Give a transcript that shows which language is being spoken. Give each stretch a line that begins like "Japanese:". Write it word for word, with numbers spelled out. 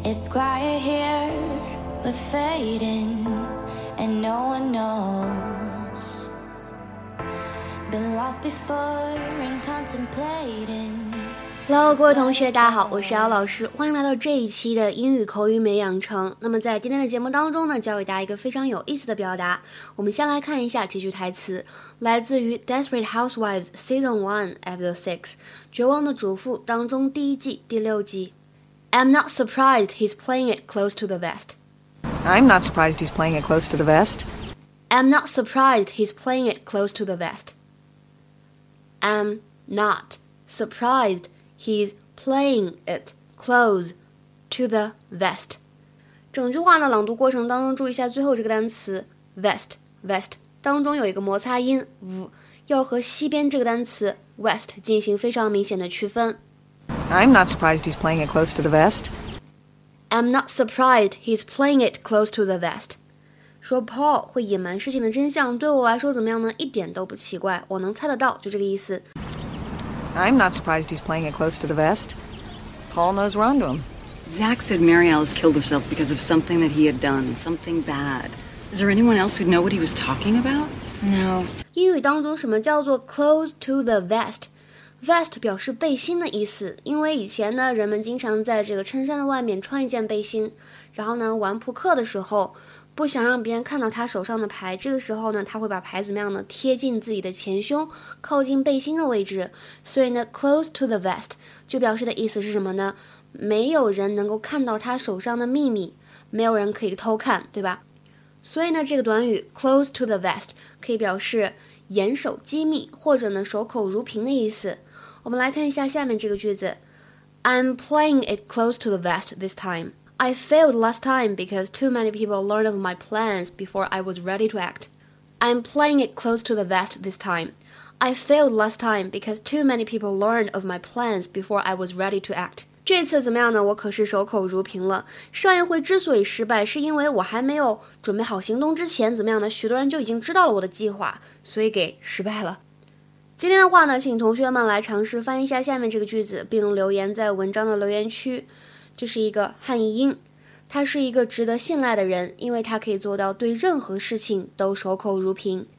English: quiet here, we're fading, and no one knows. Been lost before and contemplating.
Chinese: Hello， 各位同学，大家好，我是姚老师，欢迎来到这一期的英语口语美养成。那么在今天的节目当中呢，教给大家一个非常有意思的表达。我们先来看一下这句台词，来自于《Desperate Housewives Season One Episode Six》绝望的主妇当中第一季第六集。
English: I'm not surprised he's playing it close to the vest. I'm not surprised he's playing it close to the vest. I'm not surprised he's playing it close to the vest. I'm not surprised. He's playing it close to the vest.
Chinese: 整句话的朗读过程当中，注意一下最后这个单词 vest vest 当中有一个摩擦音 v， 要和西边这个单词 west 进行非常明显的区分。
English: I'm not surprised he's playing it close to the vest. I'm not surprised he's playing it close to the vest.
Chinese: 说 Paul 会隐瞒事情的真相，对我来说怎么样呢？一点都不奇怪，我能猜得到，就这个意思。
English: I'm not surprised he's playing it close to the vest. Paul knows we're onto him. Zach said Mary Alice killed herself because of something that he had done, something bad. Is there anyone else who'd know what he was talking about? No.
Chinese: 英语当中什么叫做 close to the vest? Vest 表示背心的意思，因为以前呢，人们经常在这个衬衫的外面穿一件背心，然后呢，玩扑克的时候不想让别人看到他手上的牌，这个时候呢，他会把牌怎么样呢？贴近自己的前胸，靠近背心的位置。所以呢 ，close to the vest 就表示的意思是什么呢？没有人能够看到他手上的秘密，没有人可以偷看，对吧？所以呢，这个短语 close to the vest 可以表示严守机密，或者呢守口如瓶的意思。我们来看一下下面这个句子 ：
English: I'm playing it close to the vest this time. I failed last time because too many people learned of my plans before I was ready to act. I'm playing it close to the vest this time. I failed last time because too many people learned of my plans before I was ready to act.
Chinese: 这次怎么样呢？我可是守口如瓶了。上一回之所以失败，是因为我还没有准备好行动之前，怎么样呢？许多人就已经知道了我的计划，所以给失败了。今天的话呢，请同学们来尝试翻译一下下面这个句子，并留言在文章的留言区。这是一个汉译英，他是一个值得信赖的人，因为他可以做到对任何事情都守口如瓶。